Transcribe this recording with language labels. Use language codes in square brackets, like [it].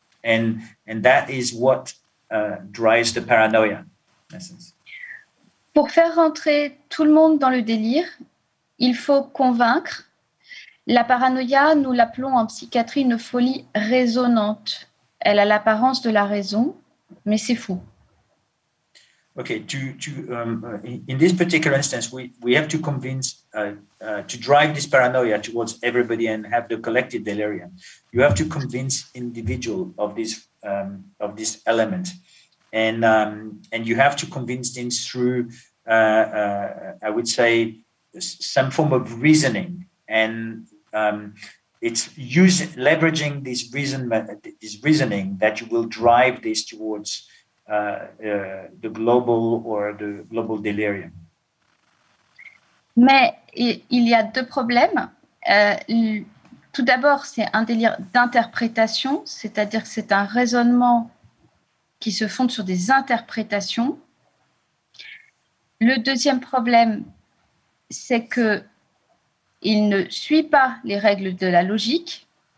[en] And that is what drives the paranoia, in essence. [fr] Pour faire rentrer tout le monde dans le délire, il faut convaincre. La paranoïa, nous l'appelons en psychiatrie une folie résonante. Elle a l'apparence de la raison, mais c'est fou. [en] Okay, in this particular instance, we have to convince to drive this paranoia towards everybody and have the collective delirium. You have to convince individual of this of this element. And you have to convince them through, I would say, some form of reasoning. And it's leveraging this reasoning that you will drive this towards the global or the global delirium. [fr] Mais il y a deux problèmes. Tout d'abord, c'est un délire d'interprétation, c'est-à-dire que c'est un raisonnement qui se fonde sur des interprétations. Le deuxième problème, c'est qu'il ne suit pas les règles de la logique.